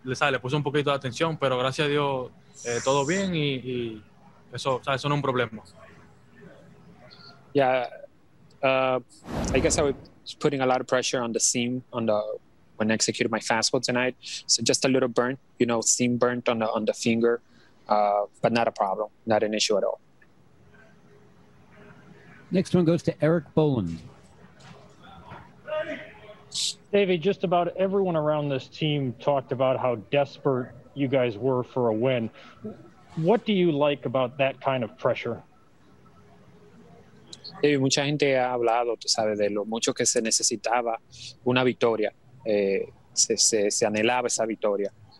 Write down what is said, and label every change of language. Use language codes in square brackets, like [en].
[es] Le puse un poquito de atención, pero gracias a Dios todo bien y eso, ¿sabes? Eso no es un problema. [en] Yeah, I guess I was putting a lot of pressure on the seam when I executed my fastball tonight. So just a little burnt, you know, seam burnt on the finger, but not a problem, not an issue at all. Next one goes to Eric Boland. Davey, just about everyone around this team talked about how desperate you guys were for a win. What do you like about that kind of pressure? [es] Davey, mucha gente ha hablado, tú sabes, de lo mucho que se necesitaba una victoria. Se anhelaba esa victoria.